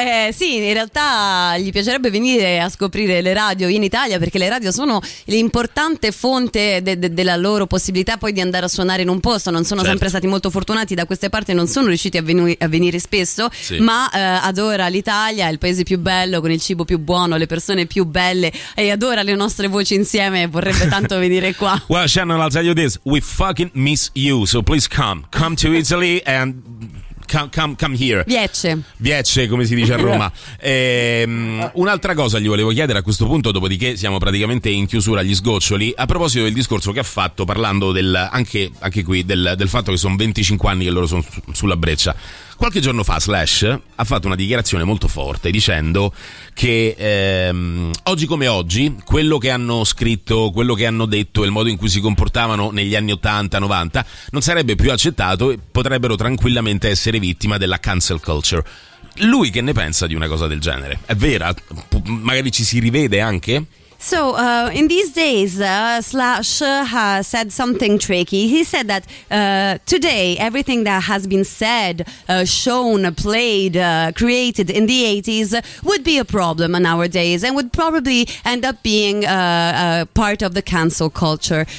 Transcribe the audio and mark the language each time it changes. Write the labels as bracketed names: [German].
[Italian] Sì, in realtà gli piacerebbe venire a scoprire le radio in Italia, perché le radio sono l'importante fonte della loro possibilità poi di andare a suonare in un posto. Non sono sempre stati molto fortunati da queste parti, non sono riusciti a venire spesso, ma adora l'Italia, il paese più bello, con il cibo più buono, le persone più belle, e adora le nostre voci insieme, vorrebbe tanto venire qua. [English] Well, Shannon, I'll tell you this. We fucking miss you, so please come to Italy and come here. [Italian] Viecce, come si dice a Roma. Un'altra cosa gli volevo chiedere a questo punto, dopodiché siamo praticamente in chiusura agli sgoccioli, a proposito del discorso che ha fatto parlando del fatto che sono 25 anni che loro sono sulla breccia. Qualche giorno fa Slash ha fatto una dichiarazione molto forte dicendo che oggi come oggi quello che hanno scritto, quello che hanno detto e il modo in cui si comportavano negli anni 80-90 non sarebbe più accettato e potrebbero tranquillamente essere vittima della cancel culture. Lui che ne pensa di una cosa del genere? È vera? Magari ci si rivede anche? [English] So, in these days, Slash has said something tricky. He said that today, everything that has been said, shown, played, created in the 80s would be a problem in our days and would probably end up being a part of the cancel culture.